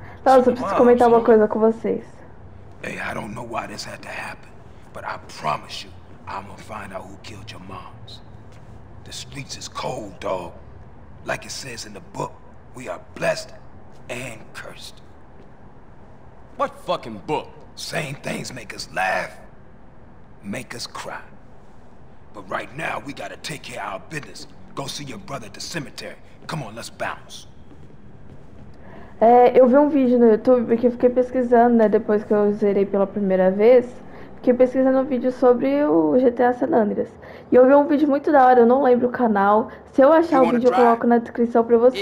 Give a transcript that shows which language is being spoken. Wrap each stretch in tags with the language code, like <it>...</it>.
<pt>Nossa, eu preciso comentar uma coisa com vocês.</pt> <en>Hey, I don't know why this had to happen, but I promise you, I'm gonna find out who killed your moms. The streets is cold, dog. Like it says in the book, we are blessed and cursed. What fucking book? Same things make us laugh, make us cry. But right now, we gotta take care of our business. Go see your brother at the cemetery. Come on, let's bounce.</en> <pt>É, eu vi um vídeo no YouTube, porque eu fiquei pesquisando, né, depois que eu zerei pela primeira vez. Fiquei pesquisando um vídeo sobre o GTA San Andreas. E eu vi um vídeo muito da hora, eu não lembro o canal. Se eu achar o vídeo, eu coloco na descrição pra vocês.</pt>